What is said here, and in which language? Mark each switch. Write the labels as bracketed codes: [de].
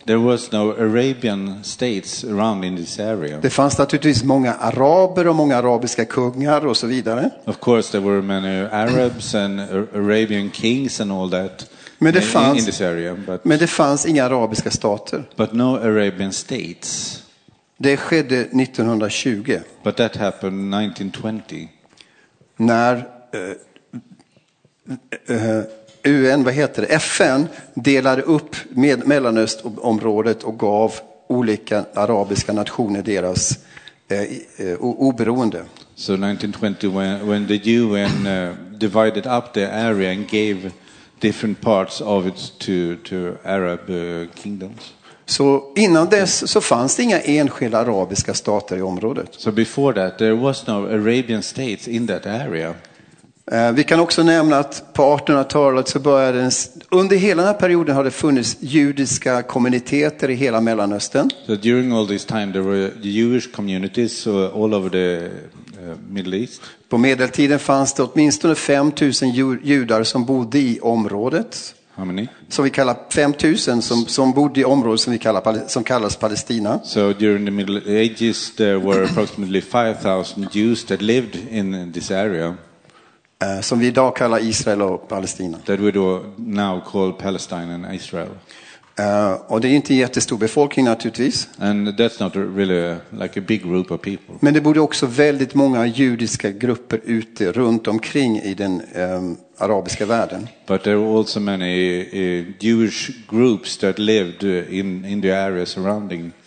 [en] There was no Arabian states around in this area. [sv] Det fanns naturligtvis många araber och många arabiska kungar och så vidare. [en] Of course there were many Arabs and Arabian kings and all that. [sv] Men det fanns [en] in this area, [sv] men det fanns inga arabiska stater. [en] But no Arabian states. [sv] Det skedde 1920. [en] But that happened 1920. [sv] När UN, vad heter det? FN delade upp Mellanöstområdet och gav olika arabiska nationer deras oberoende. [en] So 1920 when the UN divided up the area and gave different parts of it to Arab kingdoms. [sv] Så innan dess så fanns det inga enskilda arabiska stater i området. [en] So before that there was no Arabian states in that area. [sv] Vi kan också nämna att på 1800-talet så började under hela den här perioden har det funnits judiska kommuniteter i hela Mellanöstern. [en] So during all this time there were Jewish communities all over the Middle East. [sv] På medeltiden fanns det åtminstone 5000 judar som bodde i området. [en] How many? [sv] Som vi kallar 5000 som bodde i området som kallas Palestina. [en] So during the Middle Ages there were approximately 5000 Jews that lived in this area. [sv] Som vi idag kallar Israel och Palestina. [en] That we now call Palestine and Israel. [sv] Och det är inte en jättestor befolkning naturligtvis. [en] And that's not really like a big group of people. [sv] Men det bodde också väldigt många judiska grupper ute runt omkring i den arabiska världen. [en] But there were also many Jewish groups that lived in the area surrounding.